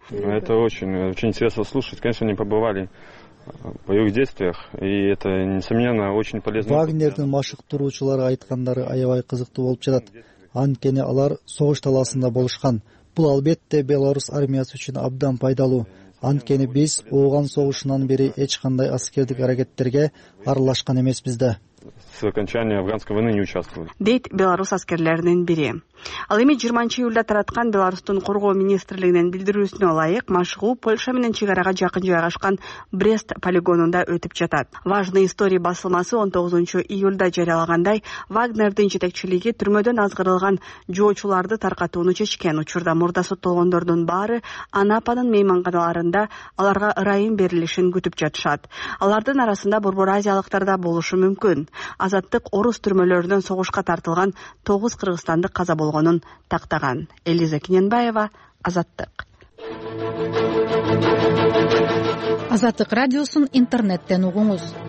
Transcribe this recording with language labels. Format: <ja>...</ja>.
<ru>Это очень интересно слушать. Конечно, они побывали в боевых действиях, и это несомненно очень полезно.</ru> <ky>Вагнердин машыктыруучулары айткандары аябай кызыктуу болуп жатат. Анткени алар согуш талаасында болушкан. Бул албетте Беларусь армиясы үчүн абдан пайдалуу. Анткени биз ооган согушунан бери эч кандай аскердик аракеттерге аралашкан эмеспиз да.</ky> <ru>С окончания афганской войны не участвовали.</ru> <ky>Дейт Беларусь аскерлеринин бири. Ал эми 20-июлда тараткан Беларусьтун коргоо министрлигинин билдирүүсүнө ылайык, машыгуу Польша менен чек арага жакын жайгашкан Брест полигонунда өтүп жатат. Важные истории басылмасы 19-июлда жарыялагандай, Вагнердин жетекчилиги түрмөдөн азгырылган жоочуларды таркатууну чечкен. Учурда мурда соттолгондордун баары Анападын мейманканаларында аларга ырайым берилишин күтүп жатышат. Алардын арасында борбор азиялыктар да болушу мүмкүн. Азаттык орус түрмөлөрүнөн согушка тартылган 9 кыргызстандык каза болгонун тактаган. Элиза Кененбаева, Азаттык. Азаттык радиосун интернеттен угуңуз.</ky>